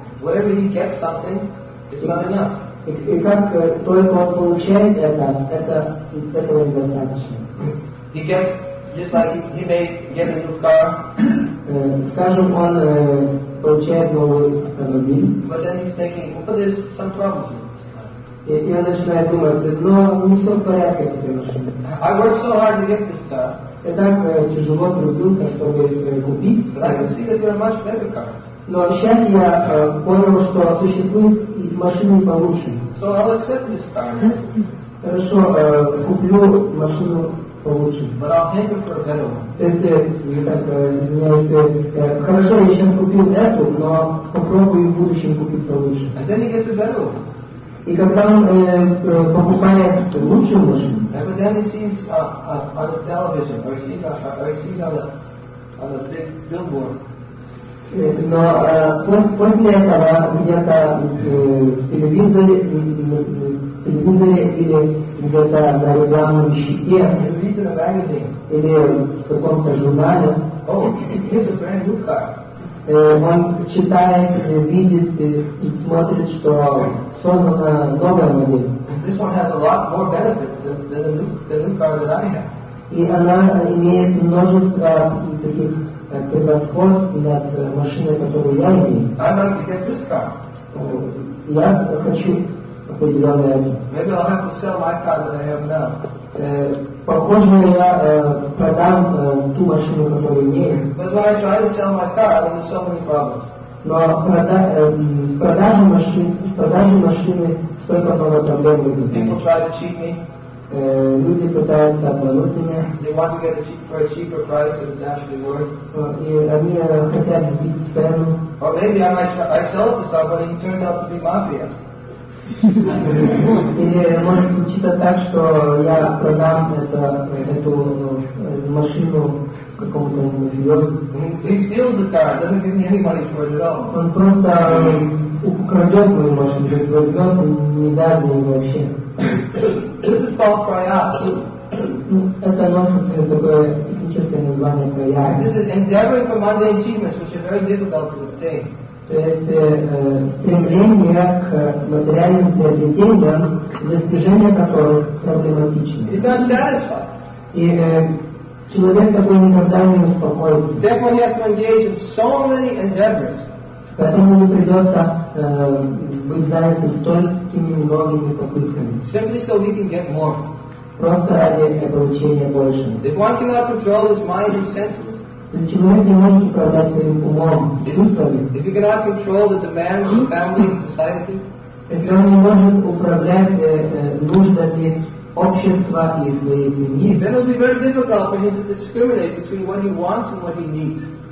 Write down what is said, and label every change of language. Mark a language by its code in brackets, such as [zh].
[en] Wherever he gets something, it's not enough. [ru] И как только он получает это этого недостаточно. [en] He gets just like he may get a new car. [ru] Скажем, он получает новый автомобиль. [en] But then he's thinking, well, but there's some problems with this car. [ru] И он начинает думать, но не все в порядке с этой машиной. [en] I worked so hard to get this car. [ru] И так тяжело трудился, чтобы купить. [en] But I can see that there are much better cars. [ru] Но сейчас я понял, что существуют и машины получше. [en] So I'll accept this car. [ru] Хорошо, куплю машину получше. [en] But I'll hang it for a better one. [ru] То есть, так, хорошо, я сейчас купил эту, но попробую в будущем купить получше. [en] And then he gets a better one. [ru] И когда он покупает лучшую машину, [en] and but then he sees on the television, or he sees on the big billboard. [ru] Но после этого где-то в телевизоре телевизоре или где-то на рекламном щите, или в каком-то журнале. Он читает, видит и смотрит, что создана новая модель. [en] This one has a lot more benefits than the new car that I have. [ru] И она имеет множество таких превосходств над машиной, которую я имею. [en] I'd like to get this car. [ru] Я хочу определенный один. [en] Maybe I'll have to sell my car that I have now. [ru] Похоже, я продам ту машину, которую имею. [en] But when I try to sell my car, I have so many problems. [ru] Но в продаже машины столько много проблем будет. [en] People try to cheat me. [ru] Люди пытаются обмануть меня. [en] They want to get a cheaper price than it's actually worth. [ru] И они хотят сбить цену. [en] Or maybe I sell it to somebody and it turns out to be mafia. [ru] Или может случиться так, что я продам эту машину какому-то мафиозу. [en] He steals the car, doesn't give me any money for it at all. [ru] Он просто украдет мою машину, то есть возьмет, не даст мне вообще. [en] This is called prayas. [ru] Это носится такое техническое название prayas. [en] This is endeavoring for mundane achievements, which are very difficult to obtain. [ru] То есть стремление к материальным приобретениям, достижение которых проблематично. [en] It's not satisfied. [ru] И человек, который никогда не успокоится. [en] Therefore, he has to engage in so many endeavors. [ru] Поэтому ему придется быть занятым столькими многими попытками. [en] Simply so he can get more. [ru] Просто ради получения больше. [en] If one cannot control his mind and senses, [ru] человек не может управлять своим умом, чувствами. [en] If he cannot control the demands of family and society, [ru] если он не может управлять нуждами общества и своей семьи, [en] then it will be very difficult for him to discriminate between what he wants and what he needs.